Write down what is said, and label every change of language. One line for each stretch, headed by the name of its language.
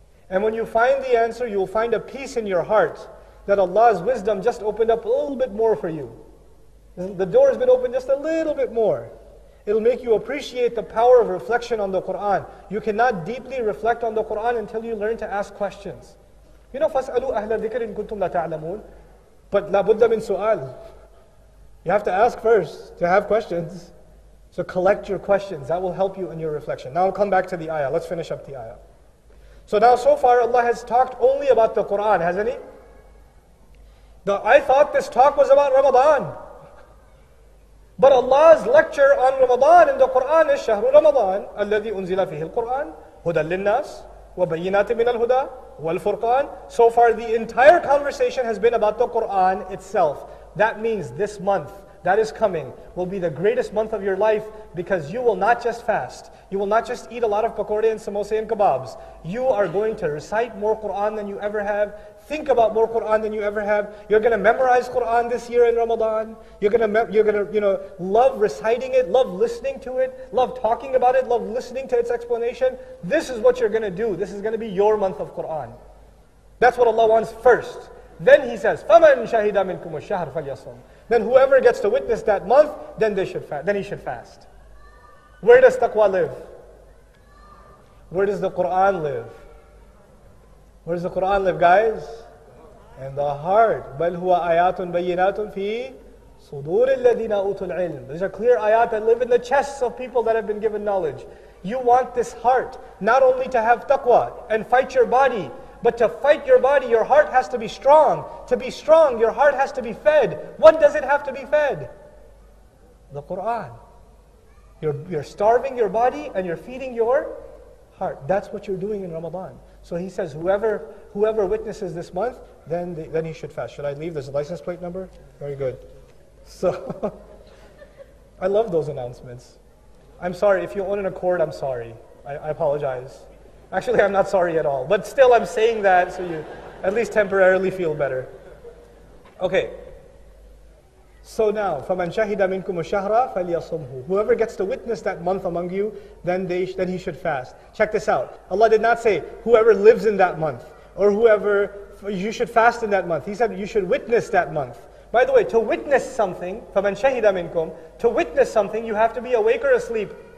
English: And when you find the answer, you will find a peace in your heart that Allah's wisdom just opened up a little bit more for you. The door has been opened just a little bit more. It'll make you appreciate the power of reflection on the Qur'an. You cannot deeply reflect on the Qur'an until you learn to ask questions. You know,
Arabic: فَاسْأَلُوا أَهْلَ ذِكْرٍ كُنْتُمْ لَا تَعْلَمُونَ.
English: But
Arabic: لَابُدَّ مِنْ سُؤَالِ.
English: You have to ask first to have questions. So collect your questions. That will help you in your reflection. Now I'll come back to the ayah. Let's finish up the ayah. So now so far Allah has talked only about the Qur'an, hasn't He? I thought this talk was about Ramadan. But Allah's lecture on Ramadan in the Qur'an is
Arabic: شهر رمضان الذي أنزل فيه القرآن هدى للناس وبينات من الهدى والفرقان.
English: So far the entire conversation has been about the Qur'an itself. That means this month that is coming will be the greatest month of your life, because you will not just fast, you will not just eat a lot of pakoda and samosa and kebabs. You are going to recite more Qur'an than you ever have. Think about more Qur'an than you ever have. You're going to memorize Qur'an this year in Ramadan. You're going to love reciting it, love listening to it, love talking about it, love listening to its explanation. This is what you're going to do. This is going to be your month of Qur'an. That's what Allah wants first. Then He says,
Arabic: فَمَنْ شَهِدَ مِنْكُمُ الشَّهْرَ فَلْيَصُمْ.
English: Then whoever gets to witness that month, then they should fast. Then he should fast. Where does taqwa live? Where does the Qur'an live? Where does the Qur'an live, guys? In the heart.
Arabic: بَلْ هُوَ آيَاتٌ بَيِّنَاتٌ فِي صُدُورِ الَّذِينَ أُوتُوا الْعِلْمِ.
English: These are clear ayat that live in the chests of people that have been given knowledge. You want this heart, not only to have taqwa and fight your body, but to fight your body, your heart has to be strong. To be strong, your heart has to be fed. What does it have to be fed? The Qur'an. You're starving your body and you're feeding your heart. That's what you're doing in Ramadan. So he says, whoever witnesses this month, then he should fast. Should I leave? There's a license plate number? Very good. So, I love those announcements. I'm sorry, if you own an Accord, I'm sorry. I apologize. Actually, I'm not sorry at all. But still, I'm saying that so you at least temporarily feel better. Okay. So now,
Arabic: فَمَنْ شَهِدَ مِنْكُمُ الشَّهْرَ فَلْيَصُمْهُ.
English: Whoever gets to witness that month among you, then he should fast. Check this out. Allah did not say, whoever lives in that month, or whoever, you should fast in that month. He said, you should witness that month. By the way, to witness something,
Arabic: فَمَنْ شَهِدَ مِنْكُمْ,
English: to witness something, you have to be awake or asleep.